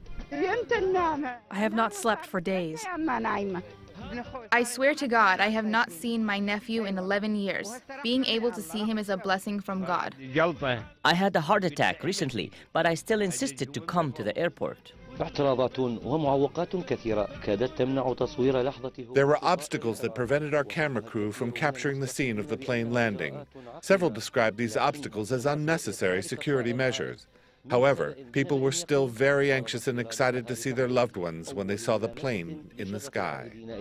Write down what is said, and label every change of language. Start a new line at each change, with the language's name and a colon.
English: I have not slept for days. I swear to God, I have not seen my nephew in 11 years. Being able to see him is a blessing from God. I had a heart attack recently, but I still insisted to come to the airport.
Arabic: اعتراضات ومعوقات كثيرة كادت تمنع تصوير لحظة.
English: There were obstacles that prevented our camera crew from capturing the scene of the plane landing. Several described these obstacles as unnecessary security measures. However, people were still very anxious and excited to see their loved ones when they saw the plane in the sky.